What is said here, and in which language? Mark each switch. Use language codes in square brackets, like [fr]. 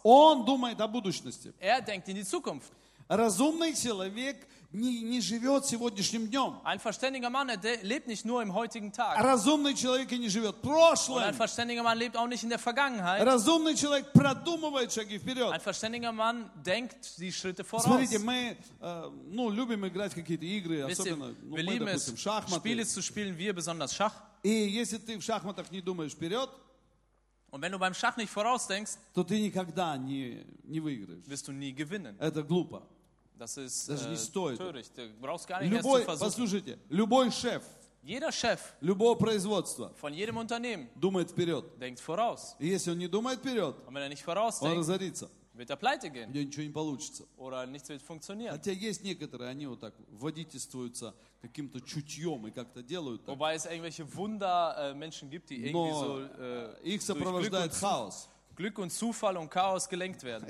[ru] Он думает о будущности. [de] Er denkt in die Zukunft. [ru] Разумный человек не живет сегодняшним днем. [de] Ein verständiger Mann, er lebt nicht nur im heutigen Tag. [ru] Разумный человек не живет прошлым. [de] Und ein verständiger Mann lebt auch nicht in der Vergangenheit. [ru] Разумный человек продумывает шаги вперед. [de] Ein verständiger Mann denkt die Schritte voraus. [ru] Смотрите, мы любим играть какие-то игры, особенно мы, допустим, шахматы. [de] Spiele zu spielen, wir besonders Schach. [ru] И если ты в шахматах не думаешь вперед, [de] Und wenn du beim Schach nicht vorausdenkst, [ru] то ты никогда не выиграешь. [de] Wirst du nie gewinnen. [ru] Это глупо. [de] Das ist töricht. [ru] Ты [de] brauchst gar nicht erst zu versuchen. [ru] Послушайте, любой шеф, [de] jeder Chef, [ru] любого производства, [de] von jedem Unternehmen, [ru] думает вперед. [de] Denkt voraus. [ru] И если он не думает вперед, [de] und wenn er nicht vorausdenkt, [ru] он разорится. [de] Wird er pleite gehen? [ru] Где ничего не получится. [de] Oder nichts wird funktionieren. [ru] Хотя есть некоторые, они вот так водительствуются каким-то чутьем и как-то делают так. [de] Wobei es irgendwelche Wunder, Menschen gibt, die irgendwie [ru] Но [de] so, [ru] их сопровождает хаос. [de] Glück und Zufall und Chaos gelenkt werden.